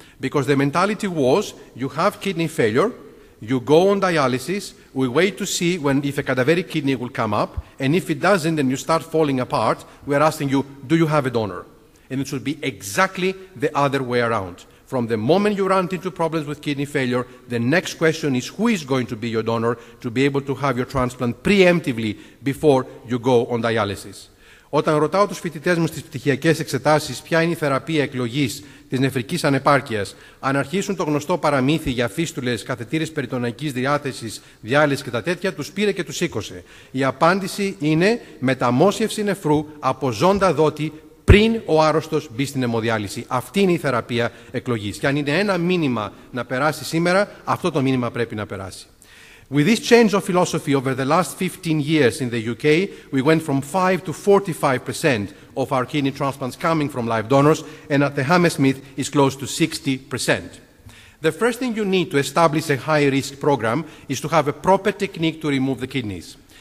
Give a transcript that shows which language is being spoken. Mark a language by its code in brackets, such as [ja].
[en] Because the mentality was, you have kidney failure, you go on dialysis, we wait to see if a cadaveric kidney will come up, and if it doesn't and you start falling apart, we are asking you, do you have a donor? And it should be exactly the other way around. From the moment you run into problems with kidney failure, the next question is who is going to be your donor to be able to have your transplant preemptively before you go on dialysis. [el] Όταν ρωτάω τους φοιτητές μου στις πτυχιακές εξετάσεις ποια είναι η θεραπεία εκλογής της νεφρικής ανεπάρκειας, αν αρχίσουν το γνωστό παραμύθι για φίστουλες, καθετήρες περιτονιακής διάθεσης, διάλυση και τα τέτοια, τους πήρε και τους σήκωσε. Η απάντηση είναι μεταμόσχευση νεφρού από ζώντα δότη πριν ο άρρωστος μπει στην αιμοδιάλυση. Αυτή είναι η θεραπεία εκλογής. Και αν είναι ένα μήνυμα να περάσει σήμερα, αυτό το μήνυμα πρέπει να περάσει. [en] With this change of philosophy over the last 15 years in the UK, we went from 5 to 45% of our kidney transplants coming from live donors, and at the Hammersmith is close to 60%. The first thing you need to establish a high-risk program is to have a proper technique to remove the kidneys.